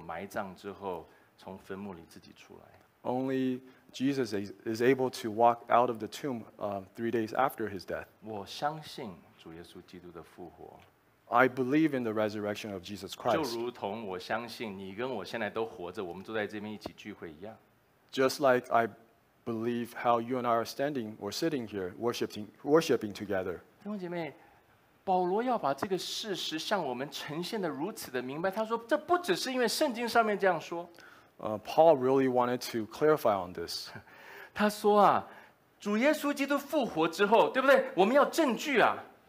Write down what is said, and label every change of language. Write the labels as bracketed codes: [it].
[zh] 只有他能够在三天之后埋葬之后从坟墓里自己出来。 [en] Only Jesus is able to walk out of the tomb 3 days after his death. [zh] 我相信主耶稣基督的复活。 [en] I believe in the resurrection of Jesus Christ. [zh] 就如同我相信你跟我现在都活着, 我们坐在这边一起聚会一样。 [en] Just like I believe how you and I are standing or sitting here worshiping together. [zh] 弟兄姐妹, 保罗要把这个事实向我们呈现得如此的明白, 他说, 这不只是因为圣经上面这样说。 [en] Paul really wanted to clarify on this. [zh] 他说啊, 主耶稣基督复活之后, 对不对? 我们要证据啊。